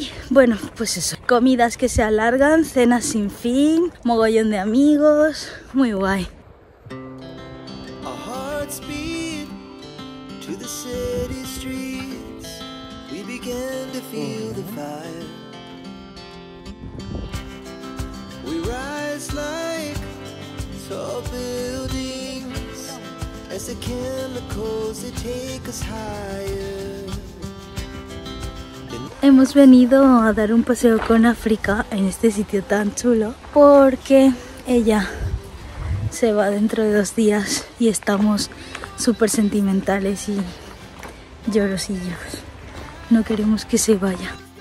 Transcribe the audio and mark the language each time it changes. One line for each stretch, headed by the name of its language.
Spanish: Bueno, pues eso, comidas que se alargan, cenas sin fin, mogollón de amigos, muy guay.
English: A heart speed to the city streets, we began to feel the fire. We rise like tall buildings, as the chemicals they take us higher.
Spanish: Hemos venido a dar un paseo con África en este sitio tan chulo porque ella se va dentro de 2 días y estamos súper sentimentales y lloros y lloros. No queremos que se vaya.